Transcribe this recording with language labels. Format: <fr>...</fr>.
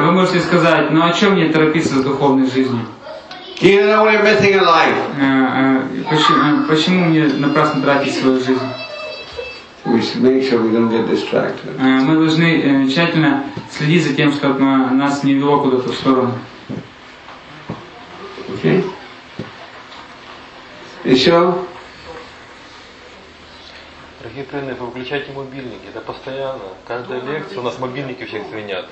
<ru>Вы можете сказать, ну о чем мне торопиться с духовной жизнью?</ru> <en>Do you know you're missing a life?</en> <ru>Почему мне напрасно тратить свою жизнь?</ru> <en>We should make sure we don't get distracted.</en> <ru>Мы должны тщательно следить за тем, чтобы нас не вело куда-то в сторону.</ru> <en>Okay.</en> <ru>Еще? Дорогие тренеры, вы выключайте мобильники. Это постоянно. Каждая лекция у нас мобильники всех звенят.</ru>